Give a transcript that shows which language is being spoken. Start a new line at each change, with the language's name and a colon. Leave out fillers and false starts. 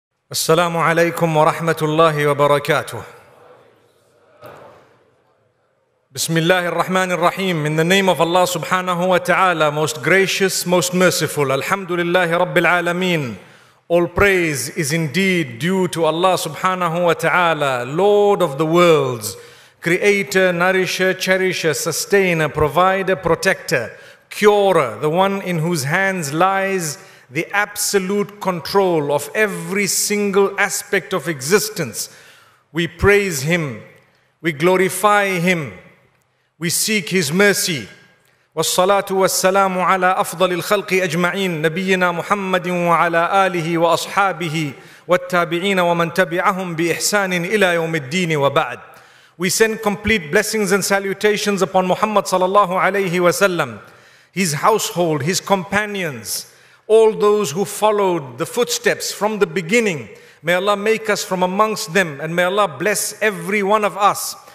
Arabic: السلام عليكم ورحمة الله وبركاته. بسم الله الرحمن الرحيم.
English: In the name of Allah سبحانه وتعالى, most gracious, most merciful.
Arabic: الحمد لله رب العالمين.
English: All praise is indeed due to Allah سبحانه وتعالى, Lord of the worlds, Creator, Nourisher, Cherisher, Sustainer, Provider, Protector, Curer, the one in whose hands lies the absolute control of every single aspect of existence. We praise Him. We glorify Him. We seek His mercy.
Arabic: والصلاة والسلام على أفضل الخلق أجمعين نبينا محمد وعلى آله وأصحابه والتابعين ومن تبعهم بإحسان إلى يوم الدين وبعد.
English: We send complete blessings and salutations upon Muhammad sallallahu alayhi wa sallam, his household, his companions, all those who followed the footsteps from the beginning. May Allah make us from amongst them, and may Allah bless every one of us.